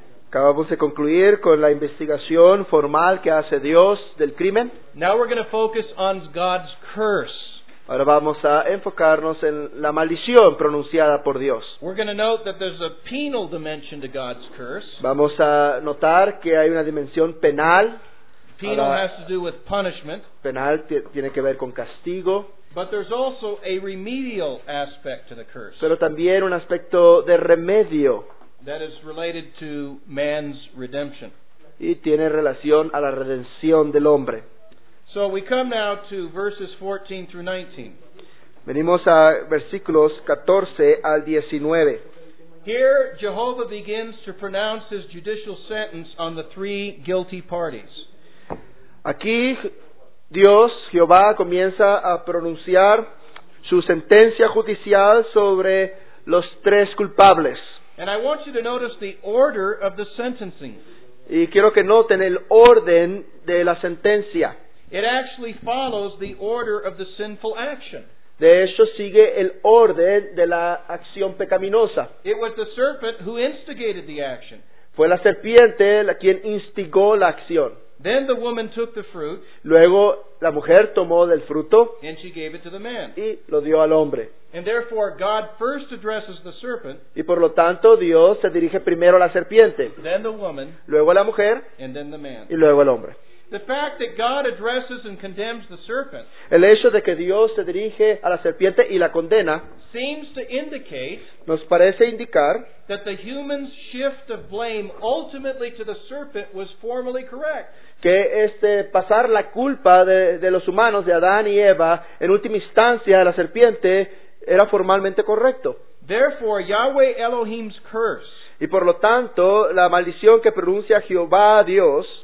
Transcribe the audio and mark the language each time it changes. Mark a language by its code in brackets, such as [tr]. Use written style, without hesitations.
[es] Acabamos de concluir con la investigación formal que hace Dios del crimen. [en] Now we're going to focus on God's curse. [es] Ahora vamos a enfocarnos en la maldición pronunciada por Dios. [en] We're going to note that there's a penal dimension to God's curse. [es] Vamos a notar que hay una dimensión penal. [en] Penal has to do with punishment. [es] Penal tiene que ver con castigo. [en] But there's also a remedial aspect to the curse. [es] Pero también un aspecto de remedio. [en] That is related to man's redemption. [es] Y tiene relación a la redención del hombre. [en] So we come now to verses 14 through 19. [es] Venimos a versículos 14 al 19. [en] Here Jehovah begins to pronounce his judicial sentence on the three guilty parties. [es] Aquí Dios, Jehová, comienza a pronunciar su sentencia judicial sobre los tres culpables. [en] And I want you to notice the order of the sentencing. [es] Y quiero que noten el orden de la sentencia. [en] It actually follows the order of the sinful action. [es] De hecho, sigue el orden de la acción pecaminosa. [en] It was the serpent who instigated the action. [es] Fue la serpiente la quien instigó la acción. [en] Then the woman took the fruit. [es] Luego la mujer tomó del fruto. [en] And she gave it to the man. [es] Y lo dio al hombre. [en] And therefore God first addresses the serpent. [es] Y por lo tanto Dios se dirige primero a la serpiente. [en] Then the woman. [es] Luego la mujer. [en] And then the man. [es] Y luego el hombre. [en] The fact that God addresses and condemns the serpent. [es] El hecho de que Dios se dirige a la serpiente y la condena. [en] Seems to indicate. [es] Nos parece indicar. [en] That the human shift of blame ultimately to the serpent was formally correct. [es] Que pasar la culpa de los humanos, de Adán y Eva, en última instancia a la serpiente, era formalmente correcto. [en] Therefore, Yahweh Elohim's curse. [es] Y por lo tanto, la maldición que pronuncia Jehová Dios.